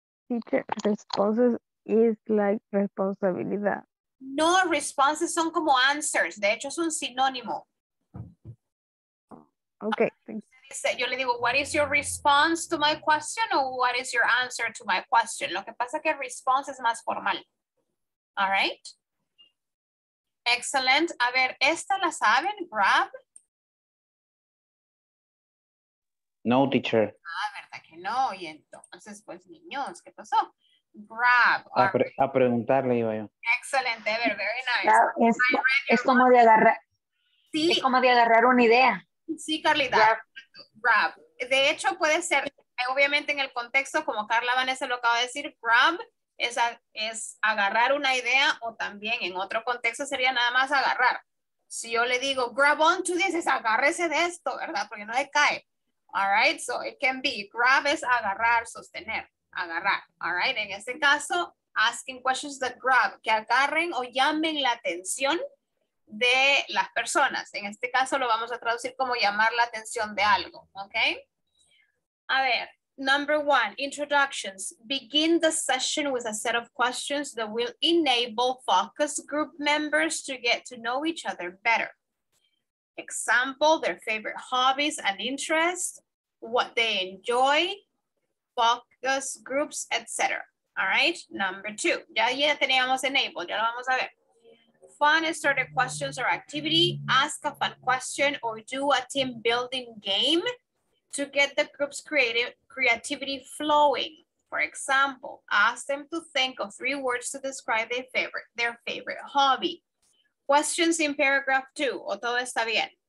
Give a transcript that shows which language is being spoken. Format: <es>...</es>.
<en>Teacher, responses is like responsabilidad.</en> <es>No, responses son como answers. De hecho, es un sinónimo.</es> <en>Okay, thanks.</en> <es>Yo le digo,</es> <en>what is your response to my question or what is your answer to my question?</en> <es>Lo que pasa que response es más formal.</es> <en>All right. Excellent.</en> <es>A ver, ¿esta la saben? Grab.</es> <en>No, teacher.</en> <es>Ah, verdad que no. Y entonces, pues, niños, ¿qué pasó? Grab. A preguntarle iba yo.</es> <en>Excellent, Ever, very nice.</en> <es>Es como de agarrar. Sí. Es como de agarrar una idea. Sí, Carlita. Grab. De hecho, puede ser, obviamente en el contexto, como Carla Vanessa lo acaba de decir, grab es agarrar una idea o también en otro contexto sería nada más agarrar. Si yo le digo,</es> <en>grab on to this,</en> <es>es agárrese de esto, ¿verdad? Porque no le cae.</es> <en>All right, so it can be, grab</en> <es>es agarrar, sostener, agarrar.</es> <en>All right,</en> <es>en este caso,</es> <en>asking questions that grab,</en> <es>que agarren o llamen la atención de las personas. En este caso lo vamos a traducir como llamar la atención de algo, okay? A ver,</es> <en>number one, introductions. Begin the session with a set of questions that will enable focus group members to get to know each other better. Example, their favorite hobbies and interests, what they enjoy, focus groups, etc. All right, number two.</en> <es>Ya teníamos enable, ya lo vamos a ver.</es> <en>Fun starter questions or activity, ask a fun question or do a team building game to get the group's creativity flowing. For example, ask them to think of three words to describe their favorite hobby. Questions in paragraph two,</en> <es>o todo está bien?</es>